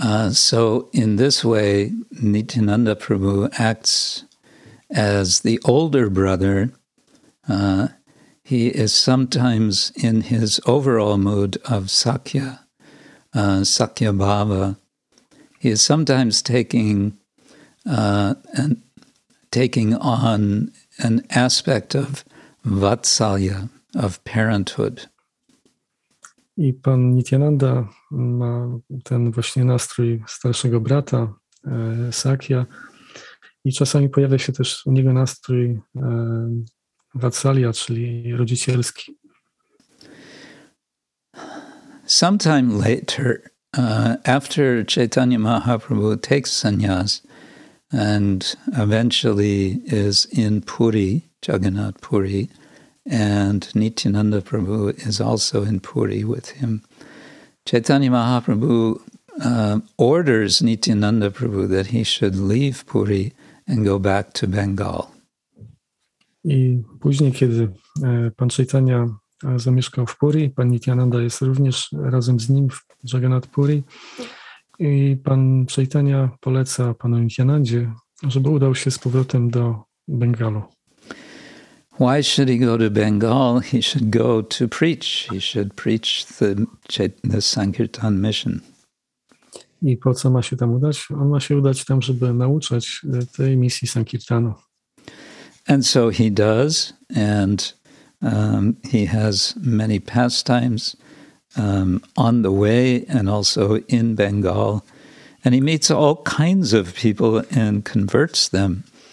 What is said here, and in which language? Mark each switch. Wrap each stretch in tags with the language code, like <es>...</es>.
<en>So in this way, Nityananda Prabhu acts as the older brother. He is sometimes in his overall mood of Sakya, Sakya Bhava. He is sometimes taking on an aspect of Vatsalya, of parenthood.</en> <pl>I Pan Nityananda ma ten właśnie nastrój starszego brata, Sakya. I czasami pojawia się też u niego nastrój Vatsalya, czyli rodzicielski.</pl> <en>Sometime later, after Chaitanya Mahaprabhu takes sannyas and eventually is in Puri, Jagannath Puri, and Nityananda Prabhu is also in Puri with him. Chaitanya Mahaprabhu orders Nityananda Prabhu that he should leave Puri and go back to Bengal.</en> <pl>I później, kiedy Pan Chaitanya zamieszkał w Puri, Pan Nityananda jest również razem z nim w Jagannath Puri, i Pan Chaitanya poleca Panu Nityanandzie, żeby udał się z powrotem do Bengalu.</pl> <en>Why should he go to Bengal? He should go to preach. He should preach the Sankirtan mission.</en> <pl>I po co ma się tam udać? On ma się udać tam, żeby nauczać tej misji Sankirtanu.</pl> <en>And so he does, and he has many pastimes on the way and also in Bengal. And he meets all kinds of people and converts them.</en>